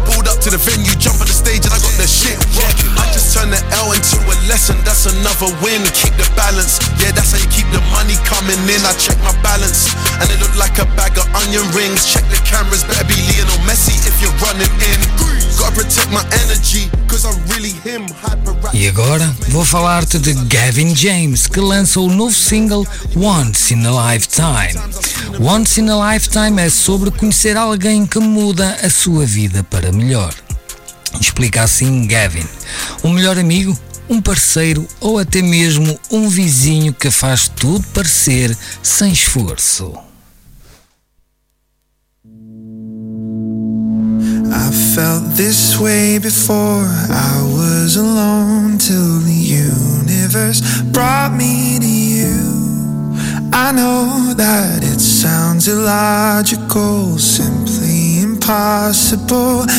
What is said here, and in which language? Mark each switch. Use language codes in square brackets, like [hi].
[en] Pulled up to the venue, jump on the stage, and I got the shit rocking. I just turned the L into a lesson, that's another win. Keep the balance, yeah, that's how you keep the money coming in. I check my balance, and it look like a bag of onion rings. Check the cameras, better be Lionel Messi if you're running in. Gotta protect my energy, cause I'm really him. [pt] E agora vou falar-te de Gavin James, que lança o novo single Once in a Lifetime. Once in a Lifetime é sobre conhecer alguém que muda a sua vida para melhor. Explica assim Gavin: um melhor amigo, um parceiro ou até mesmo um vizinho que faz tudo parecer sem esforço. [en] I felt this way before, I was alone till the universe brought me to you. I know that it sounds illogical, simply impossible.